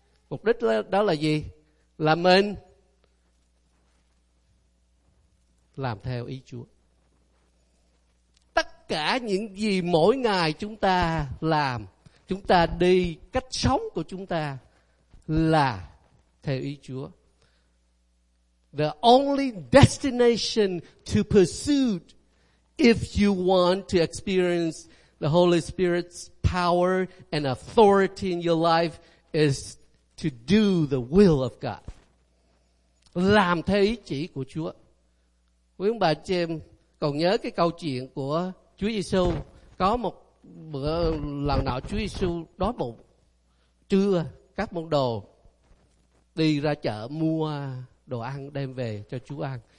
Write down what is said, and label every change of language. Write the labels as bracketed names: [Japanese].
[Vietnamese] Mục đích đó là gì? Là mình làm theo ý Chúa. Tất cả những gì mỗi ngày chúng ta làm, chúng ta đi, cách sống của chúng ta là theo ý Chúa. [English] The only destination to pursue if you want to experience the Holy Spirit's power and authority in your life is to do the will of God. [Vietnamese] Làm theo ý chỉ của Chúa. Quý ông bà chị em còn nhớ cái câu chuyện của Chúa Giêsu. Có một bữa lần nọ Chúa Giêsu đói bụng. Trưa các môn đồ đi ra chợ mua đồ ăn đem về cho Chúa ăn.